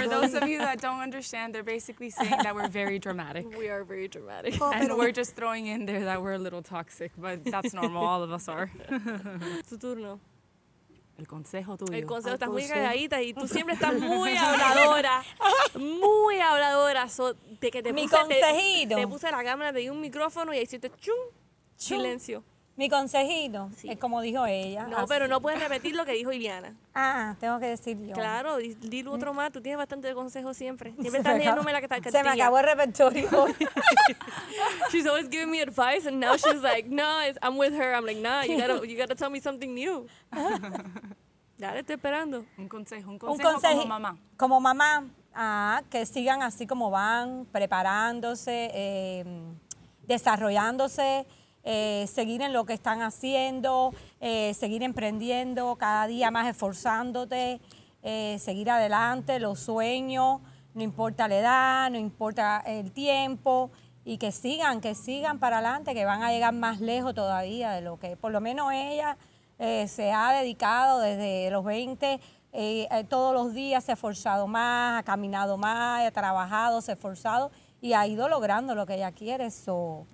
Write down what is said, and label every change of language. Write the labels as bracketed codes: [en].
[en] For those of you that don't understand, they're basically saying that we're very dramatic. We are very dramatic. Oh, and we're just throwing in there that we're a little toxic, but that's normal, all of us are. [es] Su turno. El consejo tuyo. El consejo, estás muy calladita y tú siempre estás muy habladora. Muy habladora. So, de que te mi consejito. Te puse la cámara, te di un micrófono y ahí hiciste chum, chum. Silencio. Mi consejito, sí. Es como dijo ella. No, así. Pero no puedes repetir lo que dijo Iliana. Ah, tengo que decir yo. Claro, dilo otro más. Tú tienes bastante de consejos siempre. Siempre estás leyéndome la que está cantando. Se me acabó el repertorio. [en] She's always giving me advice and now she's like, no, I'm with her. I'm like, nah, you gotta tell me something new. [es] Dale, estoy esperando. Un consejo como mamá. Como mamá, que sigan así como van, preparándose, desarrollándose. Seguir en lo que están haciendo, seguir emprendiendo, cada día más esforzándote, seguir adelante, los sueños, no importa la edad, no importa el tiempo, y que sigan para adelante, que van a llegar más lejos todavía de lo que, por lo menos ella se ha dedicado desde los 20, todos los días se ha esforzado más, ha caminado más, ha trabajado, se ha esforzado, y ha ido logrando lo que ella quiere, eso.